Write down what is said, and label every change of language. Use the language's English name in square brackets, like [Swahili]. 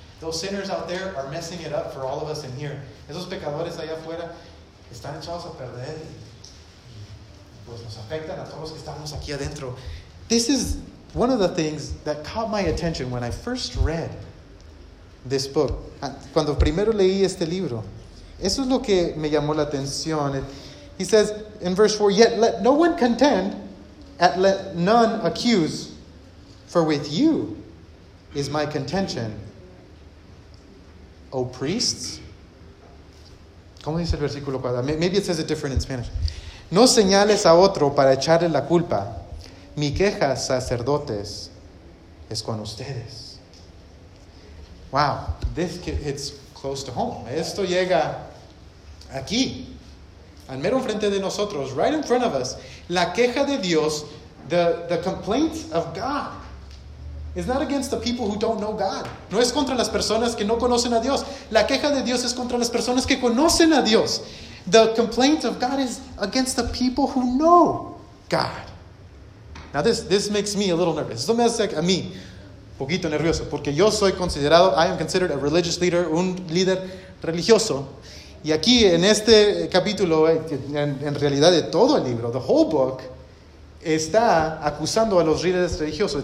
[English] Those sinners out there are messing it up for all of us in here. [Spanish] Esos pecadores allá afuera están echados a perder. Pues nos afectan a todos que estamos aquí adentro. [English] This is one of the things that caught my attention when I first read this book. [Spanish] Cuando primero leí este libro, eso es lo que me llamó la atención. [English] He says in verse 4, yet let no one contend, and let none accuse, for with you is my contention, O priests. [Spanish] ¿Cómo dice el versículo 4? [English] Maybe it says it different in Spanish. [Spanish] No señales a otro para echarle la culpa. Mi queja, sacerdotes, es con ustedes. [English] Wow, this hits close to home. [Spanish] Esto llega aquí, al mero frente de nosotros, [English] right in front of us. [Spanish] La queja de Dios, [English] the complaints of God, It's not against the people who don't know God. [Spanish] No es contra las personas que no conocen a Dios. La queja de Dios es contra las personas que conocen a Dios. [English] The complaint of God is against the people who know God. Now this makes me a little nervous. [Spanish] Esto me hace a mí un poquito nervioso, porque yo soy considerado, [English] I am considered a religious leader, [Spanish] un líder religioso. Y aquí en este capítulo, en realidad de todo el libro, [English] the whole book, [Spanish] está acusando a los líderes religiosos.